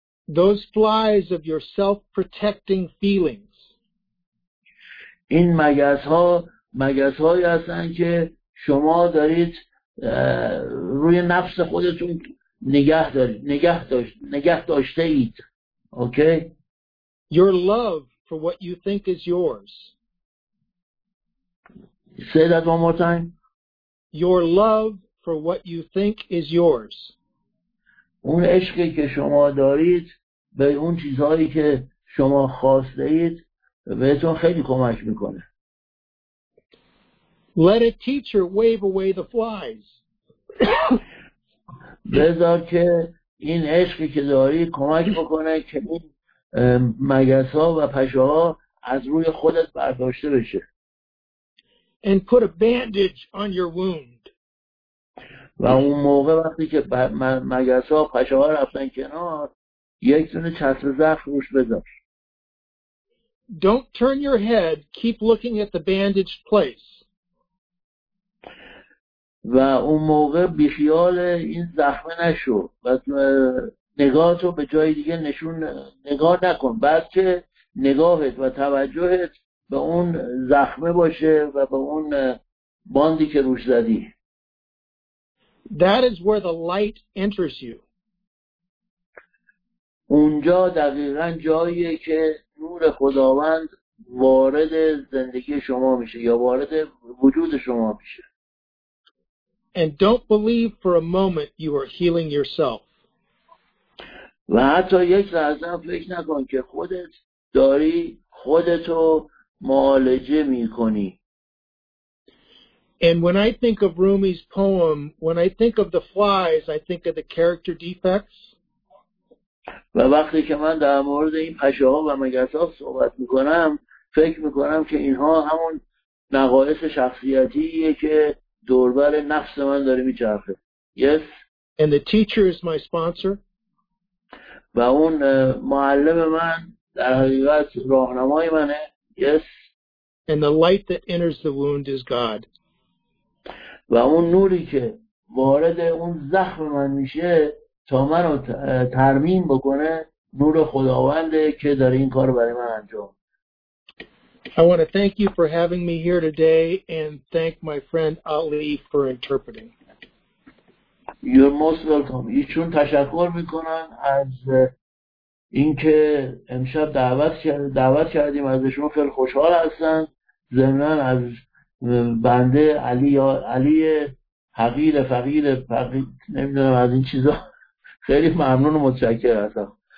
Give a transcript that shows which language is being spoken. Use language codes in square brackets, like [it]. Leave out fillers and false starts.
[en] Those flies of your self-protecting feelings. [fa] این مگس ها مگس هایی هستن که شما دارید روی نفس خودتون نگه داشته اید. [en] Okay. Your love for what you think is yours. Say that one more time. Your love for what you think is yours. [fa] اون عشقی که شما دارید به اون چیزهایی که شما خواسته اید بهتون خیلی کمک میکنه. [en] Let a teacher wave away the flies. [fa] بذار که این عشقی که دارید کمک بکنه که این مگس ها و پشه ها از روی خودت برداشته بشه. [en] And put a bandage on your wound. [fa] و اون موقع وقتی که مگس ها و پشه ها رفتن کنار یک دونه چتر زخم روش بذار. [en] Don't turn your head, keep looking at the bandaged place. [fa] و اون موقع بیخیال این زخمه نشو و نگاهتو به جای دیگه نشون نگاه نکن، بلکه نگاهت و توجهت به اون زخمه باشه و به اون باندی که روش زدی. [en] That is where the light enters you. [fa] اونجا دقیقا جاییه که نور خداوند وارد زندگی شما میشه یا وارد وجود شما میشه. [en] And don't believe for a moment you are healing yourself. [fa] و حتی یک لحظه فکر نکن که خودت داری خودتو معالجه میکنی. [en] And when I think of Rumi's poem, when I think of the flies, I think of the character defects. [fa] و وقتی که من در مورد این پشه ها و مگس ها صحبت میکنم، فکر میکنم که اینها همون نقایص شخصیتیه که دوربر نفس من داره میچرخه. [en] Yes. And the teacher is my sponsor. [fa] و اون معلم من در حقیقت راهنمای منه. [en] Yes. And the light that enters the wound is God. [fa] و اون نوری که وارد اون زخم من میشه تا منو ترمیم بکنه نور خداونده که داره این کار برای من انجام. [en] I want to thank you for having me here today and thank my friend Ali for interpreting. You're most welcome. [fa] ایشون تشکر میکنن از اینکه امشب دعوت کردیم ازشون خیلی خوشحال هستن. ضمناً از بنده علی حقیر فقیر نمیدونم از این چیزا خیلی ممنون و متشکر هستم.